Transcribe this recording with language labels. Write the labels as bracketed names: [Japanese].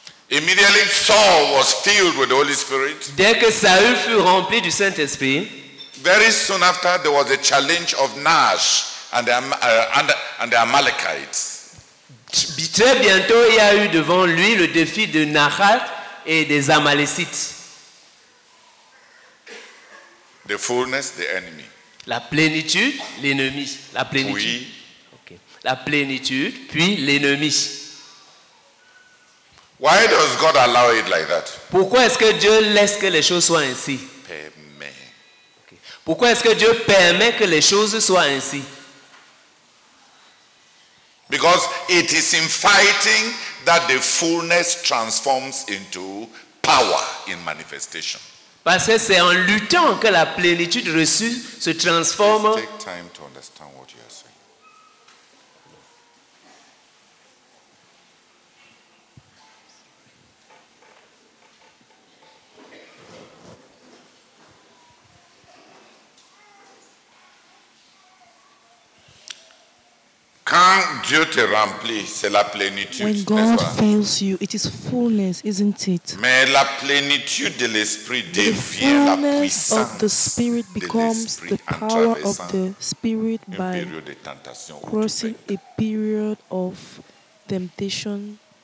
[English] Immediately Saul was filled with the Holy Spirit. [French] Dès que Saül fut rempli du Saint-Esprit. [English] Very soon after there was a challenge of Nash and the Amalekites. [French] Très bientôt il y a eu devant lui le défi de Nahath et des Amalécites. [English] The fullness, the enemy. [French] La plénitude, l'ennemi. La plénitude. Puis, okay. La plénitude, puis l'ennemi. [English] Why does God allow it like that? [French] Pourquoi est-ce que Dieu laisse que les choses soient ainsi? Permet. [English] Okay. [French] Pourquoi est-ce que Dieu permet que les choses soient ainsi? [English] Because it is in fighting that the fullness transforms into power in manifestation. [French] Parce que c'est en luttant que la plénitude reçue se transforme. [English] Please take time to understand what you are saying. [French] Quand Dieu te remplit, c'est la plénitude. [English] When God fills you, it is fullness, isn't it? [French] Mais la plénitude de l'esprit devient la puissance. [English] The fullness of the spirit becomes the power of the spirit by crossing a period of temptation.